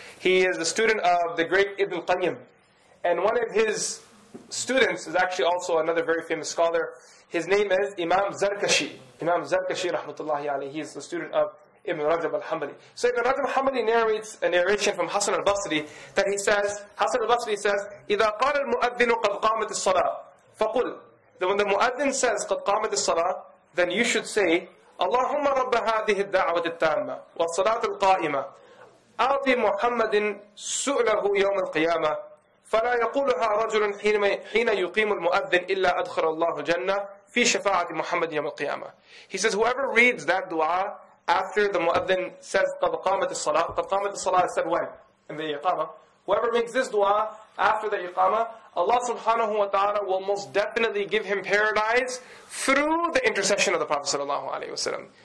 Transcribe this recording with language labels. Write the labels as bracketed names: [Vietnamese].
[English] He is a student of the great Ibn Qayyim. And one of his students is actually also another very famous scholar. His name is Imam Zarkashi. Imam Zarkashi, rahmatullahi alayhi. He is the student of Ibn Rajab al-Hanbali. So Ibn Rajab al-Hanbali narrates a narration from Hassan al-Basri that he says, Hassan al-Basri says, [Arabic] إِذَا قَالَ الْمُؤَذِّنُ قَدْ قَامَتِ الصَّلَاةِ فَقُلْ. [English] Then when the muaddin says, [Arabic] قَدْ قَامَتِ الصَّلَاةِ, [English] then you should say, [Arabic] اللهم رب هذه الدعوة التامة والصلاة القائمة أعطي محمد سؤله يوم القيامة فلا يقولها رجل حين يقيم المؤذن إلا أدخل الله جنة في شفاعة محمد يوم القيامة. [English] He says, whoever reads that dua after the muaddin says [Arabic] قد قامت الصلاة, قد قامت الصلاة [English] said when in the iqama, whoever makes this dua after the iqama, Allah subhanahu wa ta'ala will most definitely give him paradise through the intercession of the Prophet sallallahu alayhi wa sallam.